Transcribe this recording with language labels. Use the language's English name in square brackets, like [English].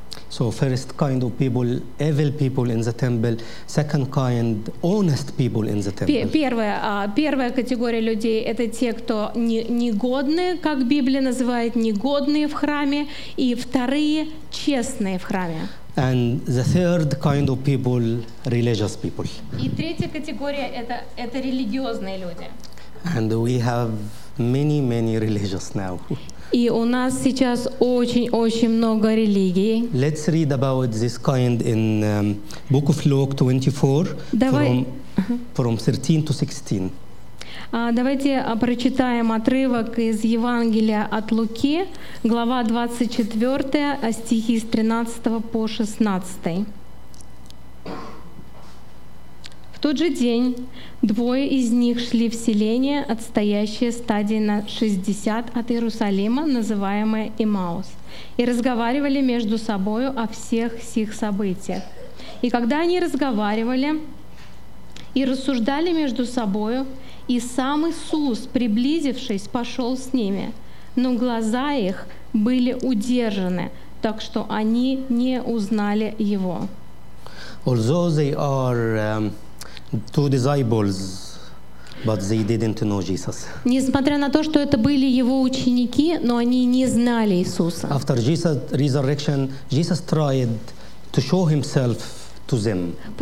[English] So first kind of people, evil people in the temple. Second kind, honest people in the temple. [Russian] Первая категория людей — это те, кто негодные, как Библия называет, негодные в храме, и вторые — честные в храме. [English] And the third kind of people, religious people. [Russian] И третья категория — это религиозные люди. [English] And we have many religious now. [Russian] И у нас сейчас очень много религий. [English] Let's read about this kind in Book of Luke 24, from 13 to 16. [Russian] Давайте прочитаем отрывок из Евангелия от Луки, глава 24, стихи с 13 по 16. В тот же день двое из них шли в селение, отстоящее стадии на 60 от Иерусалима, называемое Эммаус, и разговаривали между собою о всех сих событиях. И когда они разговаривали и рассуждали между собою, и сам Иисус, приблизившись, пошел с ними, но глаза их были удержаны, так что они не узнали его. [English] Although they are two disciples, but they didn't know Jesus. [Russian] Несмотря на то, что это были его ученики, но они не знали Иисуса. [English] After Jesus' resurrection, Jesus tried to show himself to them.